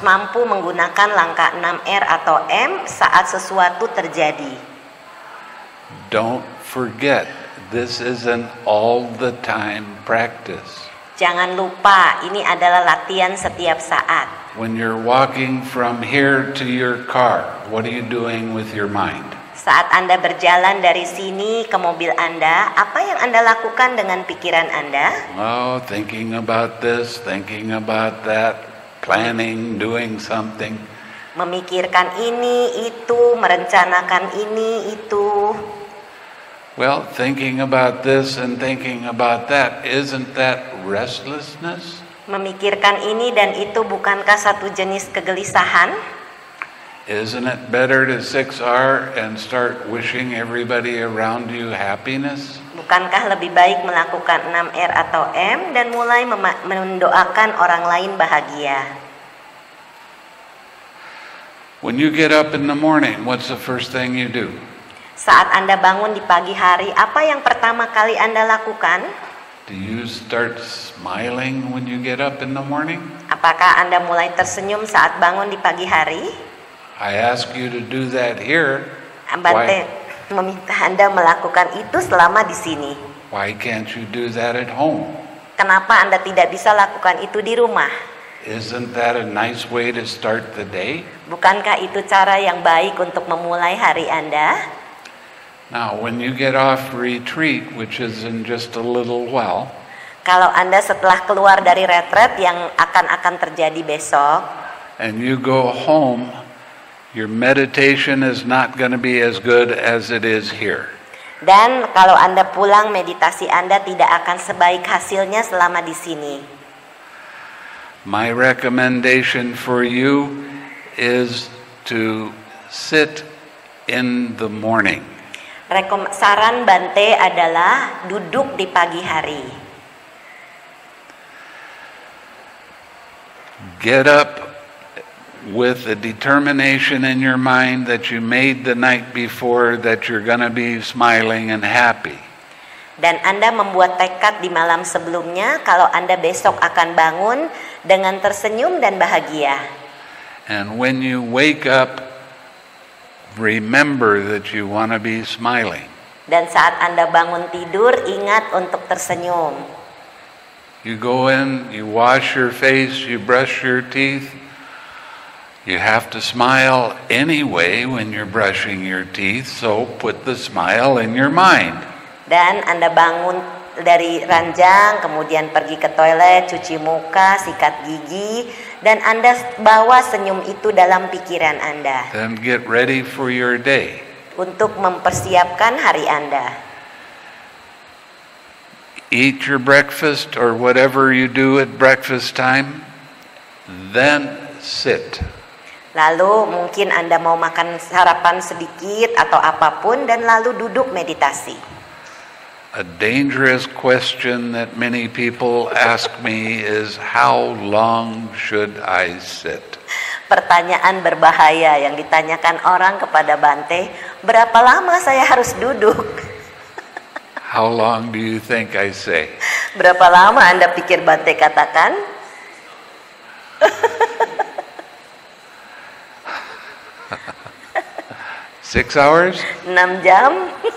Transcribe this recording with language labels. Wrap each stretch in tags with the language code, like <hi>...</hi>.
<id>mampu menggunakan langkah 6R atau M saat sesuatu terjadi.</id> <en>Don't forget This is an all the time practice.</en> <id>Jangan lupa, ini adalah latihan setiap saat.</id> <en>When you're walking from here to your car, what are you doing with your mind?</en> <id>Saat Anda berjalan dari sini ke mobil Anda, apa yang Anda lakukan dengan pikiran Anda?</id> <en>Oh, thinking about this, thinking about that, planning, doing something.</en> <id>Memikirkan ini, itu, merencanakan ini, itu.</id> <en>Well, thinking about this and thinking about that, isn't that restlessness?</en> <id>Memikirkan ini dan itu bukankah satu jenis kegelisahan?</id> <en>Isn't it better to 6R and start wishing everybody around you happiness?</en> <id>Bukankah lebih baik melakukan 6R atau M dan mulai mendoakan orang lain bahagia?</id> <en>When you get up in the morning, what's the first thing you do?</en> <id>Saat Anda bangun di pagi hari, apa yang pertama kali Anda lakukan?</id> <en>Do you start smiling when you get up in the morning?</en> <id>Apakah Anda mulai tersenyum saat bangun di pagi hari?</id> <en>I ask you to do that here.</en> <id>Bante, meminta Anda melakukan itu selama di sini.</id> <en>Why can't you do that at home?</en> <id>Kenapa Anda tidak bisa lakukan itu di rumah?</id> <en>Isn't that a nice way to start the day?</en> <id>Bukankah itu cara yang baik untuk memulai hari Anda?</id> <en>Now, when you get off retreat, which is in just a little while.</en> <id>Kalau Anda setelah keluar dari retret yang akan terjadi besok.</id> <en>And you go home. Your meditation is not going to be as good as it is here.</en> <id>Dan kalau Anda pulang, meditasi Anda tidak akan sebaik hasilnya selama di sini.</id> <en>My recommendation for you is to sit in the morning.</en> <id>Saran Bante adalah duduk di pagi hari.</id> <en>Get up with a determination in your mind that you made the night before that you're going to be smiling and happy.</en> <id>Dan Anda membuat tekad di malam sebelumnya kalau Anda besok akan bangun dengan tersenyum dan bahagia.</id> <en>And when you wake up, remember that you want to be smiling.</en> <id>Dan saat Anda bangun tidur, ingat untuk tersenyum.</id> <en>You go in, you wash your face, you brush your teeth. You have to smile anyway when you're brushing your teeth, so put the smile in your mind.</en> <id>Dan Anda bangun dari ranjang, kemudian pergi ke toilet, cuci muka, sikat gigi, dan Anda bawa senyum itu dalam pikiran Anda.</id> <en>Then get ready for your day.</en> <id>Untuk mempersiapkan hari Anda.</id> <en>Eat your breakfast or whatever you do at breakfast time, then sit.</en> <id>Lalu mungkin Anda mau makan sarapan sedikit atau apapun dan lalu duduk meditasi.</id> <en>A dangerous question that many people ask me is how long should I sit?</en> <id>Pertanyaan berbahaya yang ditanyakan orang kepada Bante, berapa lama saya harus duduk?</id> <en>How long do you think I say?</en> <id>Berapa lama Anda pikir Bante katakan?</id> <en>Six hours?</en> <id>6 jam.</id>